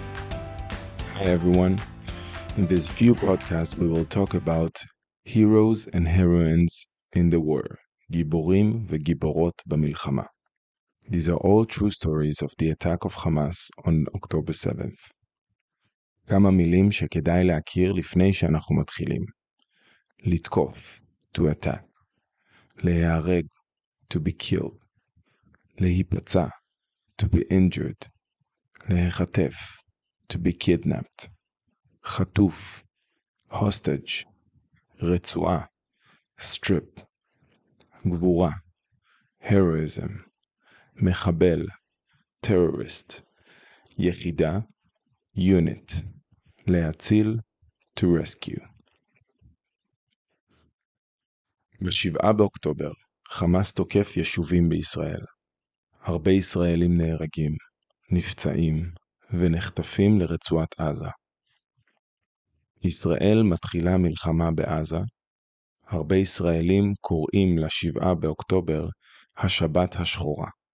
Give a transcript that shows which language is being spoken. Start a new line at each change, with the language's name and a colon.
English: Hi, everyone. In this few podcasts, we will talk about heroes and heroines in the war,
Hebrew: Giborim veGiborot b'Milchama.
English: These are all true stories of the attack of Hamas on October 7th.
Hebrew: כמה מילים שכדאי להכיר לפני שאנחנו מתחילים.
English: לתקוף, to attack. להיהרג, to be killed. להיפצע, to be injured. להיחטף, to be kidnapped. חטוף, hostage. רצועה, strip. גבורה, heroism. מחבל, terrorist. יחידה, unit. להציל, to rescue.
Hebrew: בשבעה באוקטובר, חמאס תוקף יישובים בישראל. הרבה ישראלים נהרגים, נפצעים ונחטפים לרצועת עזה. ישראל מתחילה מלחמה בעזה. הרבה ישראלים קוראים לשבעה באוקטובר השבת השחורה.